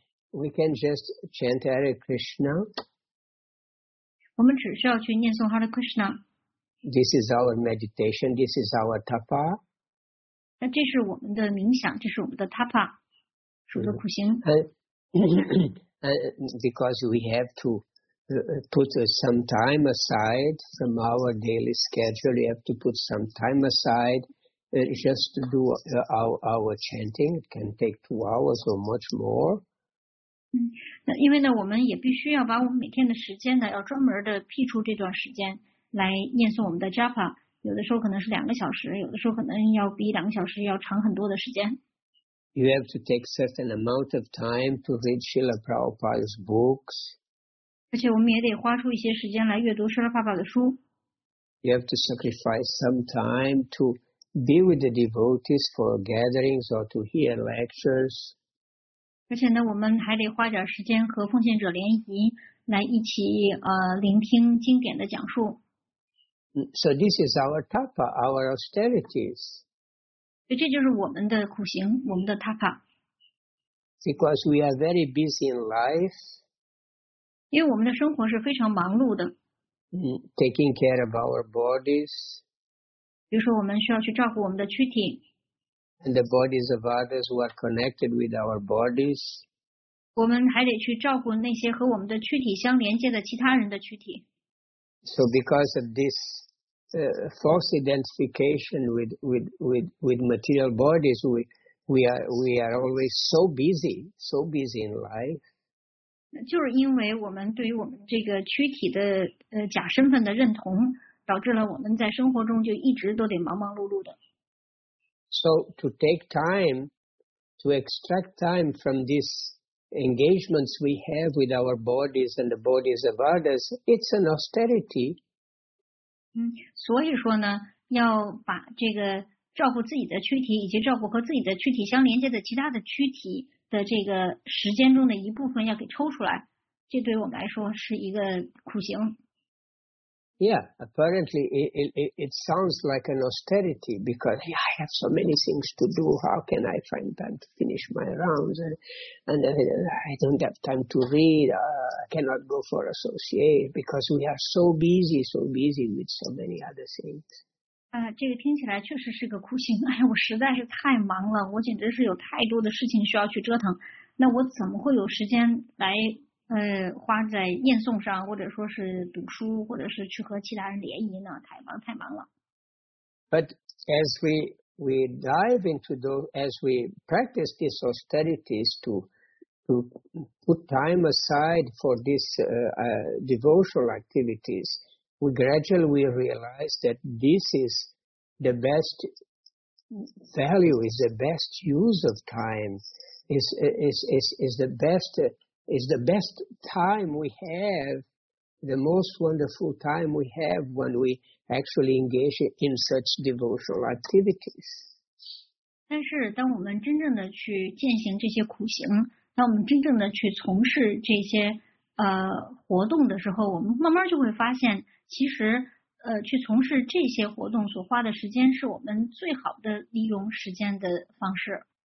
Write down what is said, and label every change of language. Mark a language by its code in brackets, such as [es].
[en] We can just chant Hare Krishna. [zh] 我们只需要去念诵 Hare Krishna. [en] This is our meditation. This is our tapa. [zh] 那这是我们的冥想，这是我们的 tapa， 数着苦行。 [en] Because we have to put some time aside from our daily schedule, we have to put some time aside just to do our chanting. It can take 2 hours or much more. [zh] 那因为呢，我们也必须要把我们每天的时间呢，要专门的辟出这段时间来念诵我们的 Japa。有的时候可能是两个小时，有的时候可能要比两个小时要长很多的时间。 [en] You have to take certain amount of time to read Srila Prabhupada's books. [zh] 而且我们也得花出一些时间来阅读 Srila Prabhupada 的书。 [en] You have to sacrifice some time to be with the devotees for gatherings or to hear lectures. [zh] 而且呢，我们还得花点时间和奉献者联谊，来一起聆听经典的讲述。 [en] So this is our tapa, our austerities. [zh] 所以这就是我们的苦行，我们的 tapa。 [en] Because we are very busy in life. [zh] 因为我们的生活是非常忙碌的。 [en] Taking care of our bodies. [zh] 比如说我们需要去照顾我们的躯体。 [en] And the bodies of others who are connected with our bodies. [zh] 我们还得去照顾那些和我们的躯体相连接的其他人的躯体。 [en] So because of this,false identification with material bodies, we are always so busy in life. [zh] 就是因为我们对于我们这个躯体的假身份的认同，导致了我们在生活中就一直都得忙忙碌碌的。 [en] So to take time, to extract time from these engagements we have with our bodies and the bodies of others, it's an austerity. [zh] 所以说呢，要把这个照顾自己的躯体以及照顾和自己的躯体相连接的其他的躯体的这个时间中的一部分要给抽出来，这对我们来说是一个苦行。 [en] Yeah, apparently it sounds like an austerity because yeah, I have so many things to do. How can I find time to finish my rounds? And I don't have time to read. I cannot go for associate because we are so busy with so many other things. [zh] 这个听起来确实是个苦行。哎，我实在是太忙了，我简直是有太多的事情需要去折腾。那我怎么会有时间来？花在念诵上，或者说是读书，或者是去和其他人联谊呢？太忙了。 [en] But as we dive into those, as we practice these austerities to put time aside for these devotional activities, we gradually will realize that this is the best value, is the best use of time, is the best. Is the best time we have, the most wonderful time we have when we actually engage in such devotional activities. [zh] 但是当我们真正的去践行这些苦行，当我们真正的去从事这些活动的时候，我们慢慢就会发现，其实去从事这些活动所花的时间是我们最好的利用时间的方式。